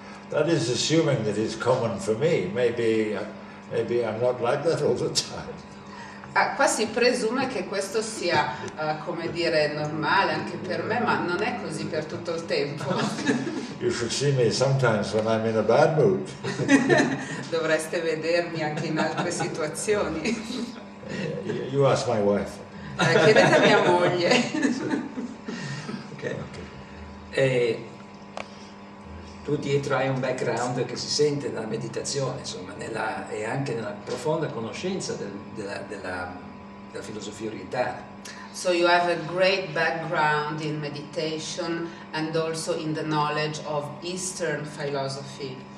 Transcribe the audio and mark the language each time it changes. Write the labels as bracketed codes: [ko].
[en] That is assuming that it's common for me. Maybe I'm not like that all the time. [it] Qua si presume che questo sia, come dire, normale anche per me, ma non è così per tutto il tempo. [en] You should see me sometimes when I'm in a bad mood. [it] Dovreste vedermi anche in altre situazioni. [en] You ask my wife. [it] Chiedete a mia moglie. [en] Okay. [it] Tu dietro hai un background che si sente nella meditazione, insomma, nella, e anche nella profonda conoscenza della filosofia orientale. [en] So you have a great background in meditation and also in the knowledge of Eastern philosophy.